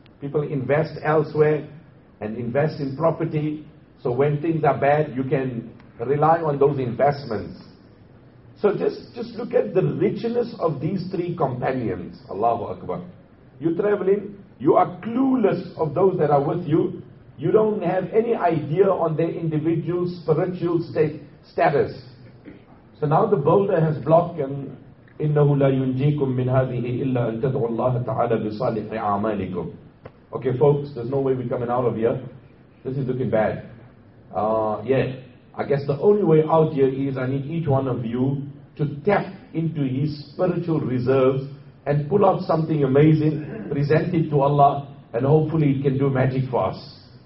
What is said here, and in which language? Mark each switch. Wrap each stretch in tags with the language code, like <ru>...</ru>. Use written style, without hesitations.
<en>People invest elsewhere, and invest in property, so when things are bad, you can rely on those investments. So just look at the richness of these three companions. Allahu Akbar. You're traveling, you are clueless of those that are with you. You don't have any idea on their individual spiritual status. So now the boulder has blocked and</en> <ar>إِنَّهُ لَا يُنْجِيكُم مِّنْ هَذِهِ إِلَّا أَن تَدْعُوا اللَّهَ تَعَالَى بِصَالِحِ أَعْمَالِكُمْ.</ar> <en>Okay folks, there's no way we're coming out of here. This is looking bad. I guess the only way out here is I need each one of you to tap into his spiritual reserves and pull out something amazing, present it to Allah, and hopefully it can do magic for us.</en>